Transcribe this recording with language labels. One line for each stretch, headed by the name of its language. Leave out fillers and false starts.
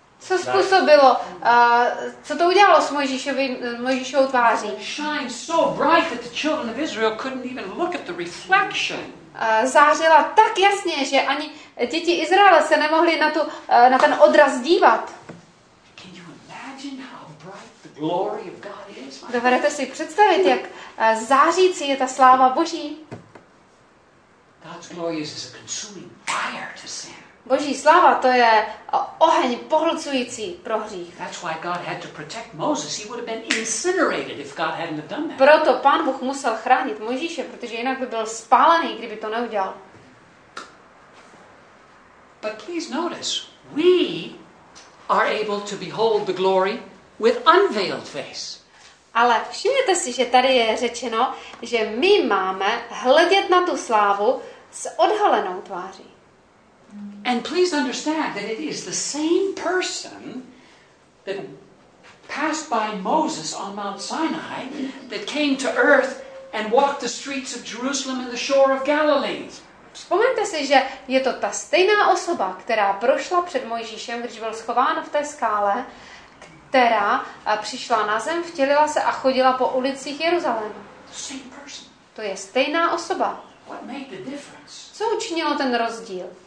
Czech: Co způsobilo, co to udělalo s Mojžíšovou tváří?
English: Shined so bright that the children of Israel couldn't even look at the reflection.
Czech: Zářila tak jasně, že ani děti Izraele se nemohli na tu na ten odraz dívat.
English: Can you imagine how bright the glory of God is?
Czech: Dovedete si představit, jak zářící je ta sláva Boží?
English: God's glory is a consuming fire to sin.
Czech: Boží sláva to je oheň pohlcující pro hřích.
English: That's why God had to protect Moses. He would have been incinerated if God hadn't have done that.
Czech: Proto Pán Bůh musel chránit Mojžíše, protože jinak by byl spálený, kdyby to neudělal.
English: But please notice, we are able to behold the glory with unveiled face.
Czech: Ale všimněte si, že tady je řečeno, že my máme hledět na tu slávu s odhalenou tváří.
English: And please understand that it is the same person that passed by Moses on Mount Sinai that came to earth and walk the streets of Jerusalem and the shore of Galilee.
Czech: Vzpomeňte si, že je to ta stejná osoba, která prošla před Mojžíšem, když byl schován v té skále, která přišla na zem, vtělila se a chodila po ulicích Jeruzaléma. To je stejná osoba. Co učinilo ten rozdíl?